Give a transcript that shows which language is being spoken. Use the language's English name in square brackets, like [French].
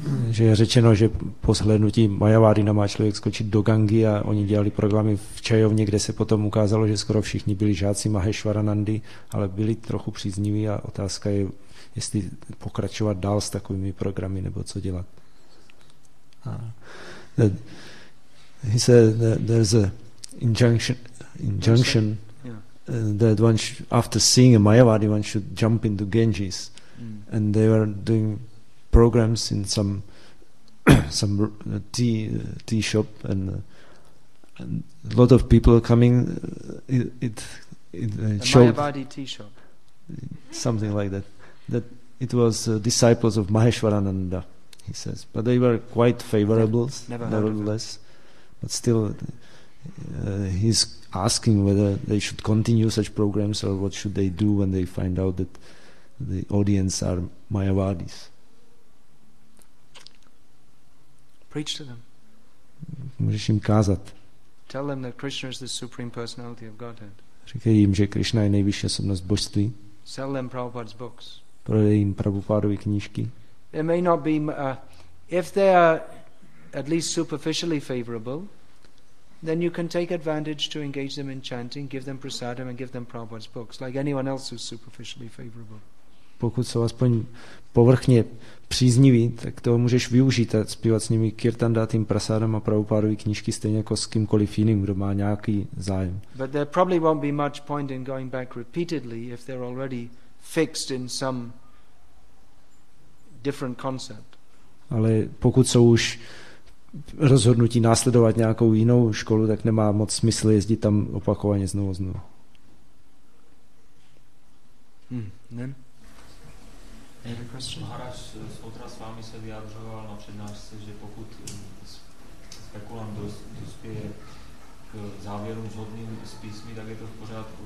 [Czech] Že je řečeno, že po shlédnutí Mayavadina má člověk skočit do Gangy a oni dělali programy v čajovně, kde se potom ukázalo, že skoro všichni byli žáci Maheshwaranandy, ale byli trochu přízniví a otázka je, jestli pokračovat dál s takovými programy nebo co dělat. [English] He said that there's an injunction that one after seeing a Mayavadi, one should jump into Ganges. Mm. And they were doing programs in some tea shop, and a lot of people coming. Mayavadi tea shop. Something like that. That it was disciples of Maheshwarananda, he says. But they were quite favorable, nevertheless. But still, he's asking whether they should continue such programs or what should they do when they find out that the audience are Mayavadis. Preach to them. [Czech] Můžeš jim kázat. [English] Tell them that Krishna is the supreme personality of Godhead. [Czech] Říkej jim, že Krishna je nejvyšší osobnost božství. [English] Sell them Prabhupada's books. [Czech] Prodej jim Prabhupádovy knížky. [English] There may not be, if they are at least superficially favorable, then you can take advantage to engage them in chanting, give them prasadam and give them Prabhupada's books, like anyone else who's superficially favorable. [Czech] Pokud jsou aspoň povrchně přízniví, tak toho můžeš využít a zpívat s nimi kirtan, dát jim prasadam a Prabhupádovy knížky stejně jako s kýmkoliv jiným, kdo má nějaký zájem. [English] But there probably won't be much point in going back repeatedly if they're already fixed in some different concept. [Czech] Ale pokud jsou už rozhodnutí následovat nějakou jinou školu, tak nemá moc smysl jezdit tam opakovaně znovu. Nen? Maharaj z Otra s vámi se vyjadřoval na přednášce, že pokud spekulant dospěje k závěrům zhodným s písmy, tak je to v pořádku.